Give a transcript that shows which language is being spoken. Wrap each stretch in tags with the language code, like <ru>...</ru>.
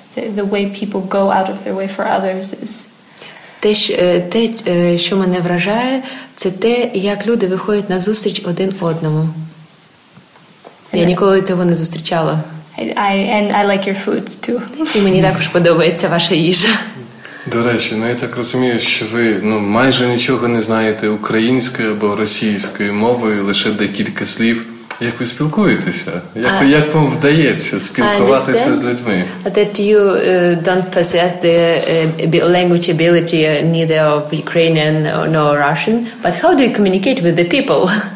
<en>The way people go out of their way for others is...</en> <uk>Те, що мене вражає, це те, як люди виходять на зустріч один одному. Я ніколи цього не зустрічала.</uk> <en>I like your food too.</en> <uk>І мені також подобається ваша їжа. До речі, я так розумію, що ви майже нічого не знаєте української або російської мови, лише декілька слів. Як ви спілкуєтеся? Як вам вдається спілкуватися з людьми?</uk> <en>That you don't possess the language ability neither of Ukrainian nor Russian, but how do you communicate with the people?</en>